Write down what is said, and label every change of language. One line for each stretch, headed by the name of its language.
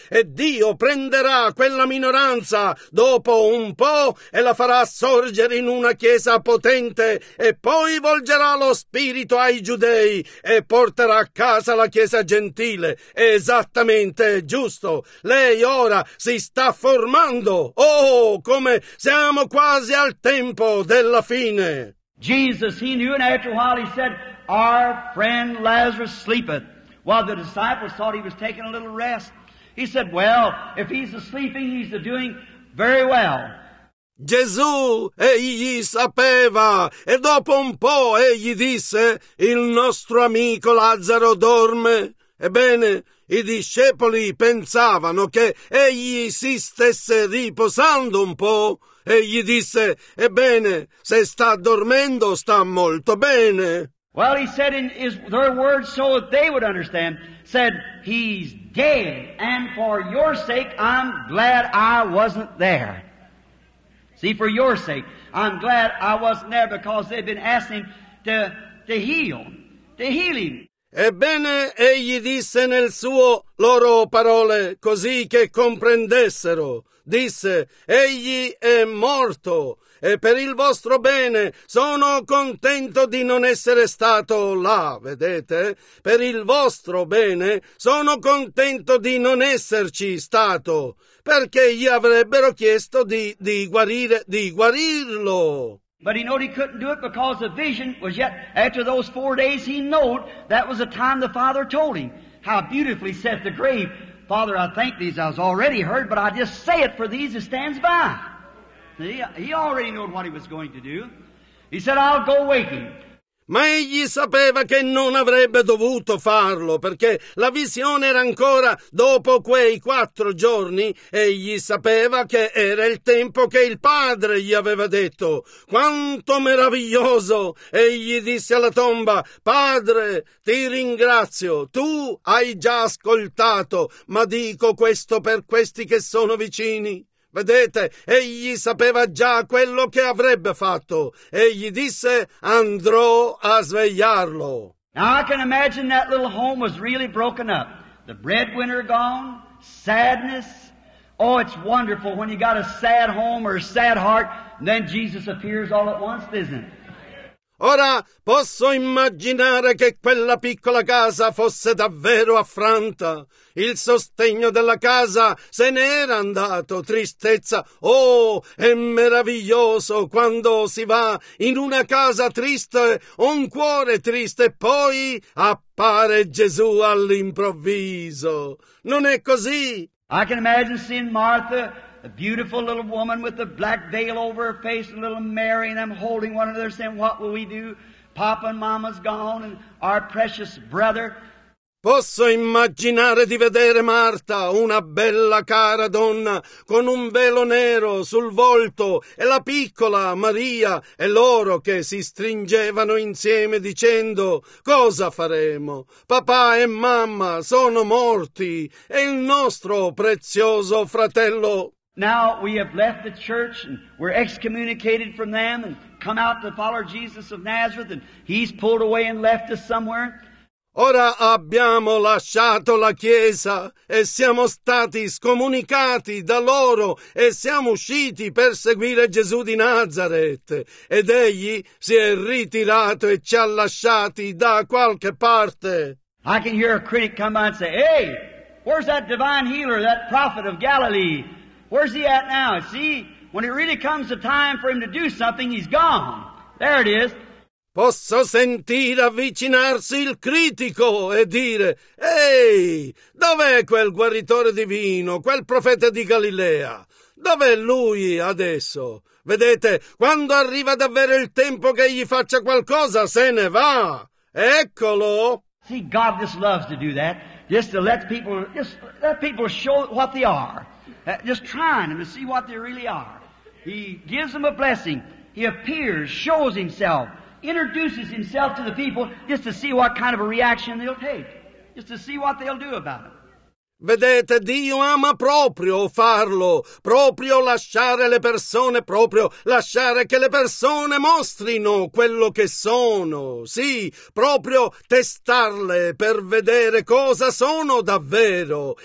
Italian: E Dio prenderà quella minoranza dopo un po' e la farà sorgere in una chiesa potente e poi volgerà lo Spirito ai giudei e porterà a casa la chiesa gentile. Esattamente giusto. Lei ora si sta formando. Oh, come siamo quasi al tempo della fine!
English: Jesus, he knew, and after a while he said, our friend Lazarus sleepeth. While the disciples thought he was taking a little rest, he said, well, if he's asleep, he's doing very well.
Italian: Gesù, egli sapeva, e dopo un po' egli disse, il nostro amico Lazzaro dorme. Ebbene, i discepoli pensavano che egli si stesse riposando un po'. Egli disse, ebbene, se sta dormendo, sta molto bene.
English: Well, he said in his, their words so that they would understand, said, he's dead, and for your sake, I'm glad I wasn't there. See, for your sake, I'm glad I wasn't there because they've been asking to heal him.
Italian: Ebbene, egli disse nel suo loro parole così che comprendessero. Disse, egli è morto e per il vostro bene sono contento di non essere stato là, vedete? Per il vostro bene sono contento di non esserci stato, perché gli avrebbero chiesto di guarirlo.
English: But he knew he couldn't do it because the vision was yet, after those 4 days he knew that was the time the Father told him. How beautifully set the grave. Father, I thank these, I was already heard, but I just say it for these that stands by. See, he already knew what he was going to do. He said, I'll go waking.
Italian: Ma egli sapeva che non avrebbe dovuto farlo, perché la visione era ancora dopo quei 4 giorni, e egli sapeva che era il tempo che il Padre gli aveva detto. Quanto meraviglioso! Egli disse alla tomba, Padre, ti ringrazio, tu hai già ascoltato, ma dico questo per questi che sono vicini. Vedete, egli sapeva già quello che avrebbe fatto. Egli disse, andrò a svegliarlo.
English: Now I can imagine that little home was really broken up. The breadwinner gone, sadness. Oh, it's wonderful when you got a sad home or a sad heart, and then Jesus appears all at once, isn't it?
Italian: Ora posso immaginare che quella piccola casa fosse davvero affranta. Il sostegno della casa se n'era andato, tristezza. Oh, è meraviglioso quando si va in una casa triste, un cuore triste, e poi appare Gesù all'improvviso. Non è così?
English: I can imagine seeing Martha, a beautiful little woman with a black veil over her face, and little Mary and them holding one another saying, what will we do? Papa and Mama's gone, and our precious brother.
Italian: Posso immaginare di vedere Marta, una bella cara donna, con un velo nero sul volto, e la piccola Maria, e loro che si stringevano insieme dicendo, cosa faremo? Papà e mamma sono morti, e il nostro prezioso fratello.
English: Now we have left the church and we're excommunicated from them and come out to follow Jesus of Nazareth and he's pulled away and left us somewhere.
Italian: Ora abbiamo lasciato la Chiesa e siamo stati scomunicati da loro e siamo usciti per seguire Gesù di Nazareth. Ed egli si è ritirato e ci ha lasciati da qualche parte.
English: I can hear a critic come by and say, hey, where's that divine healer, that prophet of Galilee? Where's he at now? See, when it really comes the time for him to do something, he's gone. There it is.
Italian: Posso sentire avvicinarsi il critico e dire, ehi, dov'è quel guaritore divino, quel profeta di Galilea? Dov'è lui adesso? Vedete, quando arriva davvero il tempo che gli faccia qualcosa, se ne va. Eccolo!
English: See, God just loves to do that, just to let people show what they are. Just trying them to see what they really are. He gives them a blessing. He appears, shows himself, introduces himself to the people just to see what kind of a reaction they'll take, just to see what they'll do about it.
Italian: Vedete, Dio ama proprio farlo, proprio lasciare le persone, proprio lasciare che le persone mostrino quello che sono, sì, proprio testarle per vedere cosa sono davvero.